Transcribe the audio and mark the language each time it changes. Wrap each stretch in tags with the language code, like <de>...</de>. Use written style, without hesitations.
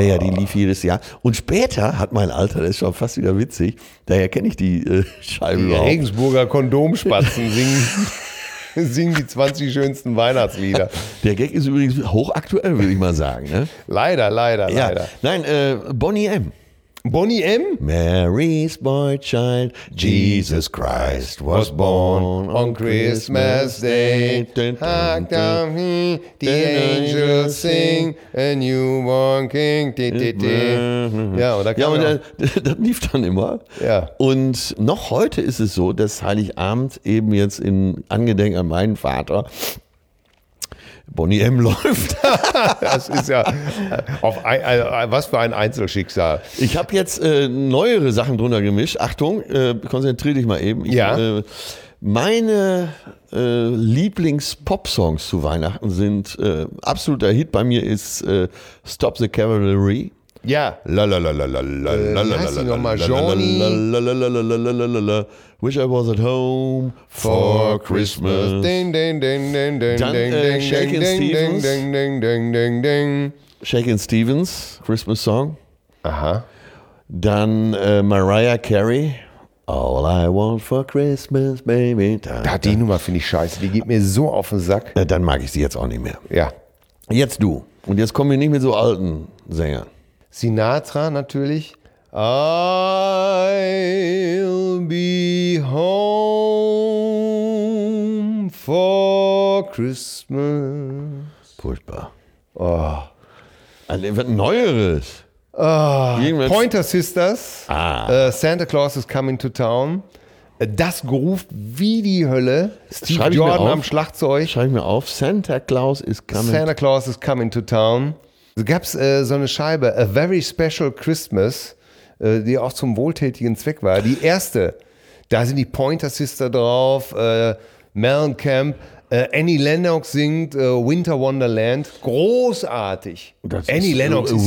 <de>Ja, die lief jedes Jahr. Und später hat mein Alter, das ist schon fast wieder witzig, daher kenne ich die Scheibe überhaupt. Die Regensburger Kondomspatzen singen die 20 schönsten Weihnachtslieder. Der Gag ist übrigens hochaktuell, würde ich mal sagen. Ne? Leider. Nein, Bonnie M. Bonnie M.</de> <en>Mary's boy child, Jesus Christ was born on Christmas Day. Hark down, the angels sing, a newborn king.</en> <de>Das lief dann immer. Ja. Und noch heute ist es so, dass Heiligabend eben jetzt in Angedenk an meinen Vater Bonnie M. läuft. Das ist ja, was für ein Einzelschicksal. Ich habe jetzt neuere Sachen drunter gemischt. Achtung, konzentriere dich mal eben. Ja. Meine Lieblings-Pop-Songs zu Weihnachten sind, absoluter Hit bei mir ist Stop the Cavalry. Ja. La la la la la la la la la la la la la la la la la la la la la la la.</de> <en>Wish I was at home for Christmas. Ding ding ding ding ding ding ding ding ding ding ding ding ding. Shakin' Stevens Christmas song.</en> <de>Aha. Dann Mariah Carey.</de> <en>All I want for Christmas, baby.</en> <de>Die Nummer finde ich scheiße. Die geht mir so auf den Sack. Dann mag ich sie jetzt auch nicht mehr. Ja. Jetzt du. Und jetzt kommen wir nicht mit so alten Sängern. Sinatra natürlich.</de> <en>I'll be home for Christmas.</en> <de>Furchtbar. Oh. Ein neueres. Pointer Sisters. Ah.</de> <en>Santa Claus is coming to town.</en> <de>Das geruft wie die Hölle. Steve Schreib Jordan am Schlagzeug. Schreib ich mir auf.</de> <en>Santa Claus is coming to town.</en> <de>Es gab so eine Scheibe, A Very Special Christmas, die auch zum wohltätigen Zweck war. Die erste, da sind die Pointer Sister drauf, Mellencamp, Annie Lennox singt Winter Wonderland. Großartig. Annie Lennox ist</de>